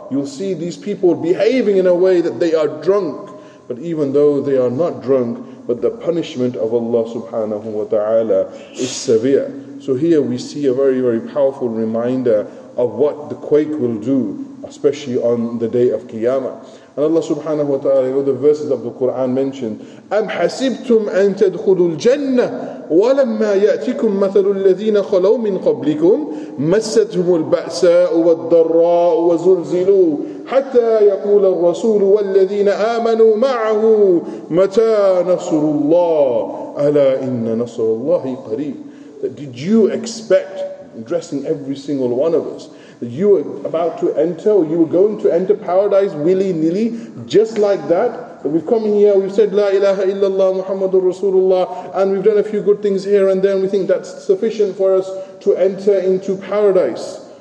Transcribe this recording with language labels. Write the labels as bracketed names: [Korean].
[English] You'll see these people behaving in a way that they are drunk. But even though they are not drunk, but the punishment of Allah subhanahu wa ta'ala is severe. So here we see a very, very powerful reminder of what the quake will do, especially on the day of Qiyamah. And Allah subhanahu wa ta'ala, you know, the verses of the Quran mentioned, [Arabic] أَمْ حَسِبْتُمْ أَن تَدْخُلُوا الْجَنَّةِ وَلَمَّا يَأْتِكُمْ مَثَلُ الَّذِينَ خَلَوْا مِنْ قَبْلِكُمْ مَسَّتْهُمُ الْبَأْسَاءُ وَالضَّرَّاءُ وَزُلْزِلُوا حَتَّى يَقُولَ الرَّسُولُ وَالَّذِينَ آمَنُوا مَعَهُ مَتَى نَصْرُ اللَّهِ أَلَا إِنَّ نَصْرَ اللَّهِ قَرِيبٌ. [English] That did you expect, addressing every single one of us, that you were about to enter, or you were going to enter paradise willy-nilly, just like that? We've come here, we've said [Arabic] La ilaha illallah Muhammadur Rasulullah, [English] and we've done a few good things here and there, and we think that's sufficient for us to enter into paradise.